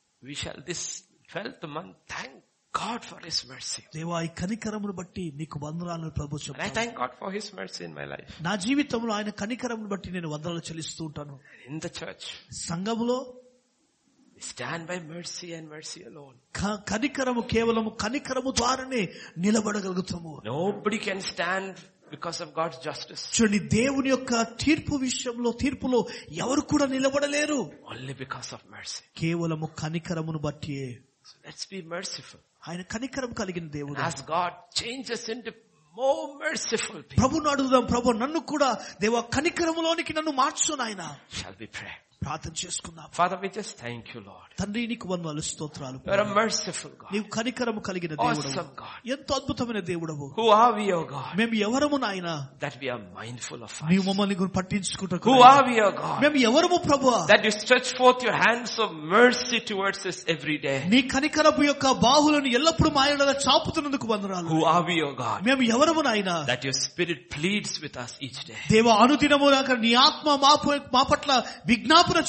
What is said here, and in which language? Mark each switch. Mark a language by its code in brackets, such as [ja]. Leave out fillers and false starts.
[en] we shall this 12th month thank God for his mercy. [te] దేవా ఈ కనికరమును బట్టి నీకు వందనాలు ప్రభు. [en] I thank God for his mercy in my life. [te] నా జీవితంలో ఆయన కనికరమును బట్టి నేను వందనాలు చెల్లిస్తూ ఉంటాను. [en] In the church. [te] సంఘములో [en] stand by mercy and mercy alone. [te] కనికరము కేవలము కనికరము ద్వారానే నిలబడగలుగుతాము. [en] Nobody can stand because of God's justice. [te] చూడండి, దేవుని యొక్క తీర్పు విషయంలో తీర్పులో ఎవరు కూడా నిలబడలేరు. [en] Only because of mercy. [te] కేవలము కనికరమును బట్టియే. [en] So let's be merciful. [te] ఆయన కనికరం కలిగిన దేవుడు. [en] As God changes into more merciful people. [te] ప్రభు నడుదాం, ప్రభు నన్ను కూడా దేవ కనికరములోనికి నన్ను మార్చు నాయన. [en] Shall we pray? [te] ప్రార్థన చేసుకుందాం. [en] Father, we just thank you, Lord. [te] తండ్రి, నీకు వందనాలు స్తోత్రాలు. [en] You are merciful God. [te] నీవు కనికరం కలిగిన దేవుడు. [en] Awesome God. [te] ఎంతో అద్భుతమైన దేవుడవు. [en] Who are we, O God? [te] మేము ఎవరము నాయన? [en] That we are mindful of us. [te] నీవు మమ్మల్ని గురించి పట్టించుకుంటావు. [en] Who are we, O God? [te] మేము ఎవరము ప్రభువా? [en] That you stretch forth your hands of mercy towards us every day. [te] నీ కనికరపు యొక్క బాహులను ఎల్లప్పుడూ మా యొడల చాపుతున్నందుకు వందనాలు. [en] Who are we, O God? [te] మేము ఎవరము నాయన? [en] That your spirit pleads with us each day. [te] దేవ అనుదినము నాకర నీ ఆత్మ మా పట్ల విజ్ఞాప